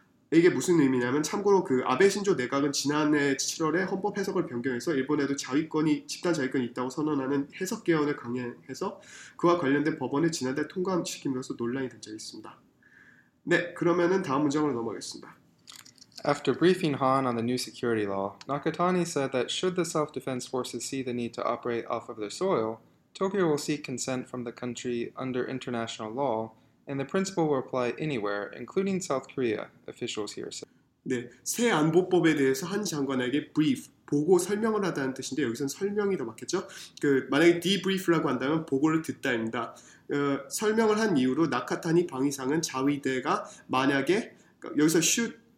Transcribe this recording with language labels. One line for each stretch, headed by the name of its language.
Korean: 이게 무슨 의미냐면 참고로 그 아베 신조 내각은 지난해 7월에 헌법 해석을 변경해서 일본에도 자위권이 집단 자위권이 있다고 선언하는 해석 개헌을 강행해서 그와 관련된 법원을 지난달 통과시키면서 논란이 된 적이 있습니다. 네, 그러면은 다음 문장으로 넘어가겠습니다.
English: After briefing Han on the new security law, Nakatani said that should the self-defense forces see the need to operate off of their soil, Tokyo will seek consent from the country under international law, and the principle will apply anywhere, including South Korea, officials here said.
Korean: 네, 새 안보법에 대해서 한 장관에게 brief, 보고 설명을 하다는 뜻인데 여기서는 설명이 더 맞겠죠? 그 만약에 debrief라고 한다면 보고를 듣다입니다. 설명을 한 이유로 나카타니 방위상은 자위대가 만약에 여기서 should